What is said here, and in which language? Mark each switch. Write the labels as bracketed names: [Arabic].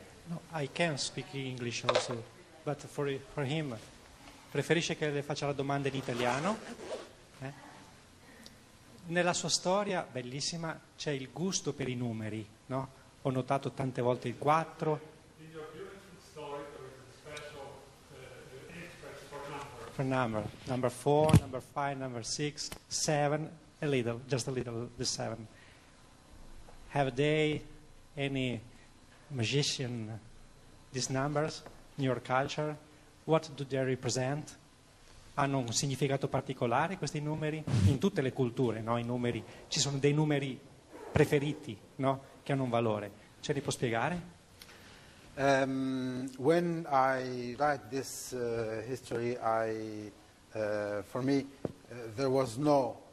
[English] No, I can speak English also, but for him. [Italian] Preferisce che le faccia la domanda in italiano. Nella sua storia, bellissima, c'è il gusto per i numeri, no? Ho notato tante volte il 4. [English] In your beautiful story, there is a special interest for number. For number. Number 4, number 5, number 6, 7, a little, just a little, the 7. Have they, any magician, these numbers, in your culture? What do they represent? [Italian] Hanno un significato particolare questi numeri? In tutte le culture, no? I numeri, ci sono dei numeri preferiti, no? Che hanno un valore. Ce li può spiegare? [English] When I write this history, for me, there was no.